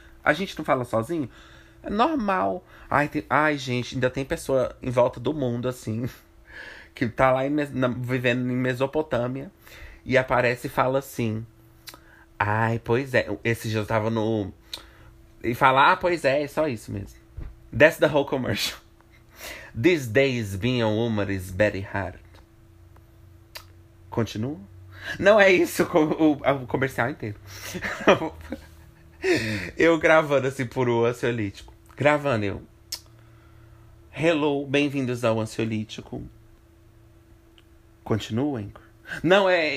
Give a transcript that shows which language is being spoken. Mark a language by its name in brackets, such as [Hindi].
[Portuguese] A gente não fala sozinho? É normal. Ai, gente, ainda tem pessoa em volta do mundo assim, que tá lá vivendo em Mesopotâmia e aparece e fala assim: ai, pois é. Esse dia eu tava no. E fala: ah, pois é, é só isso mesmo. [English] That's the whole commercial. These days being a woman is very hard. [Portuguese] Continua? Não é isso o comercial inteiro. Eu gravando assim por o ansiolítico. Gravando eu. Hello, bem-vindos ao ansiolítico. Continua, Anchor? Não é.